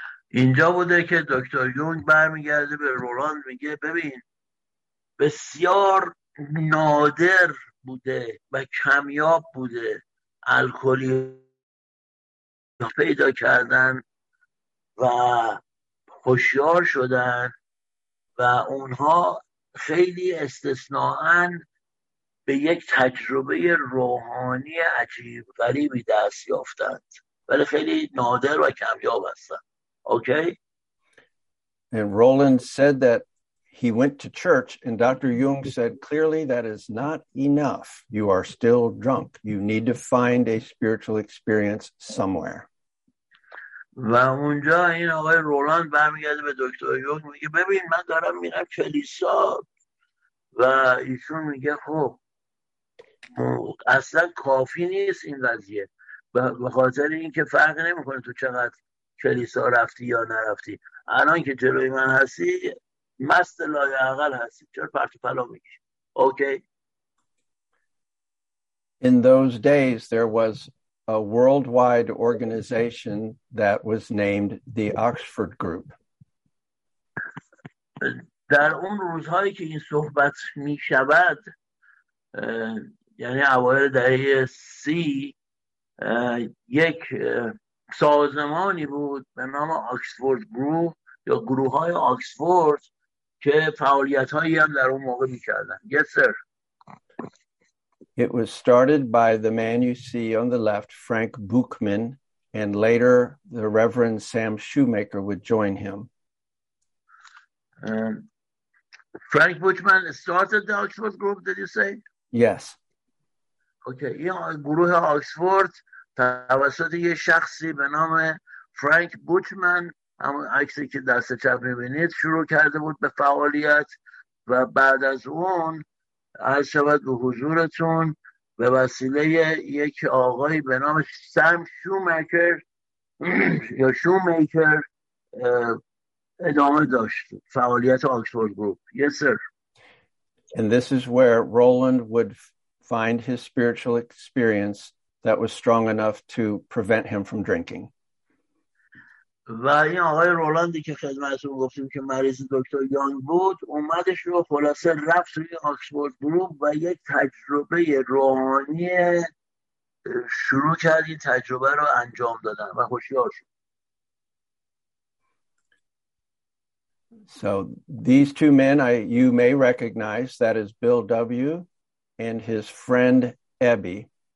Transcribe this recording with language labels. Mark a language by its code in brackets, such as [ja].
[fa] اینجا بوده که دکتر یونگ برمیگرده به رولاند میگه ببین بسیار نادر بوده و کمیاب بوده الکلی پیدا کردن و هوشیار شدن و اونها خیلی استثناءن به یک تجربه روحانی عجیب غریبی دست یافتند، ولی خیلی نادر و کمیاب هستند. اوکی؟ [en] And Roland said that he went to church and Dr. Jung said clearly that is not enough. You are still drunk. You need to find a spiritual experience somewhere. [fa] و اونجا این آقای رولاند برمیگرده به دکتر یونگ میگه ببین من دارم میرم کلیسا و ایشون میگه خب اصلا کافی نیست این قضیه به خاطر اینکه فرق نمیکنه تو چقدر کلیسا رفتی یا نرفتی الان که جلوی من هستی مست لایعقل هستی چرا پرت و پلا میگی اوکی [en] In those days there was a worldwide organization that was named the Oxford Group. [fa] در اون روزهایی که این صحبت می شود یعنی اوایل دهه 30 یک سازمانی بود به نام آکسفورد گروه یا گروه های آکسفورد که فعالیت هایی هم در اون موقع می کردن. [en] Yes, sir. It was started by the man you see on the left, Frank Buchman, and later the Reverend Sam Shoemaker would join him. Frank Buchman started the Oxford Group, did you say? Yes. [fa] Okay, این گروه آکسفورد توسط یه شخصی به نام Frank Buchman, همون عکسی که دست چپ می‌بینید، شروع کرده بود به فعالیت و بعد از اون عرض شود به حضورتون به وسیله یک آقایی به نام سم شومیکر یا شومیکر ادامه داشت فعالیت آکسفورد گروپ [en] Yes, sir. And this is where Roland would find his spiritual experience that was strong enough to prevent him from drinking. [fa] و این آقای رولاندی که خدمتتون گفتیم که مریض دکتر یانگ بود اومدش رو خلاصه رفت روی آکسفورد گروپ و یک تجربه روحانی شروع کرد این تجربه رو انجام دادن و هوشیار شد. [en] So these two men you may recognize that is Bill W and his friend Abby.